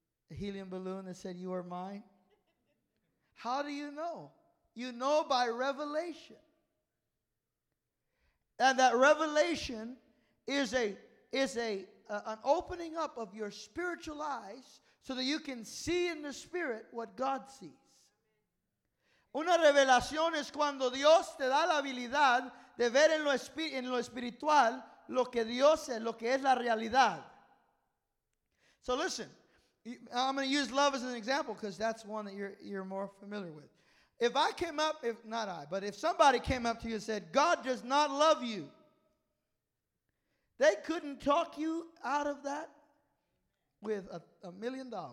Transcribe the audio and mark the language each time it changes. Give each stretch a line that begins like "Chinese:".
English: A helium balloon that said, you are mine? How do you know? You know by revelation. And that revelation is an opening up of your spiritual eyes so that you can see in the spirit what God sees.
Spanish: Una revelación es cuando Dios te da la habilidad de ver en lo espiritual lo que Dios es, lo que es la realidad.
English: So listen, I'm going to use love as an example because that's one that you're more familiar with. If somebody came up to you and said, God does not love you, they couldn't talk you out of that with $1 million.